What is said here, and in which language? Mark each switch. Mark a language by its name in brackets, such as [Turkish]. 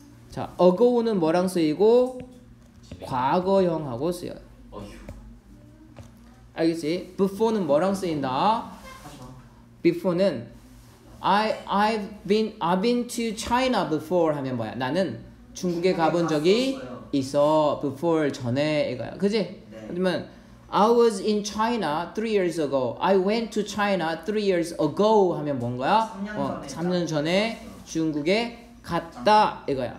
[Korean] 자, ago는 뭐랑 쓰이고 과거형하고 쓰여. 알겠지? before는 뭐랑 쓰인다? [English] before는 I've been to China before [Korean] 하면 뭐야? 나는 중국에 가본 적이 있어. before 전에 이거야. 그지? 그러면 네. [English] I was in China 3 years ago. I went to China 3 years ago [Korean] 하면 뭔 거야? 3년 전에 중국에 갔다 이거야.